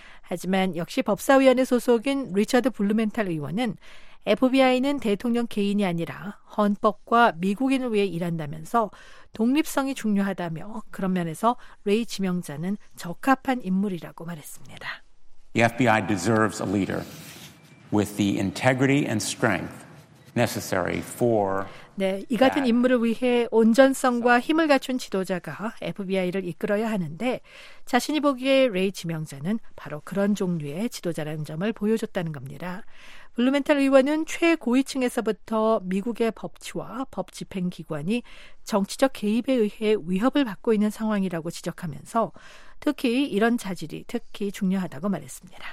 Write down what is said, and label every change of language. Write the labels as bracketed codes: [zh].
[ko] 하지만 역시 법사위원회 소속인 리처드 블루멘탈 의원은 FBI는 대통령 개인이 아니라 헌법과 미국인을 위해 일한다면서 독립성이 중요하다며 그런 면에서 레이 지명자는 적합한 인물이라고 말했습니다. [en] The FBI deserves a leader with the integrity and strength necessary for [ko] 네, 이 같은 인물을 위해 온전성과 힘을 갖춘 지도자가 FBI를 이끌어야 하는데 자신이 보기에 레이 지명자는 바로 그런 종류의 지도자라는 점을 보여줬다는 겁니다. 블루멘탈 의원은 최고위층에서부터 미국의 법치와 법집행기관이 정치적 개입에 의해 위협을 받고 있는 상황이라고 지적하면서 특히 이런 자질이 특히 중요하다고 말했습니다.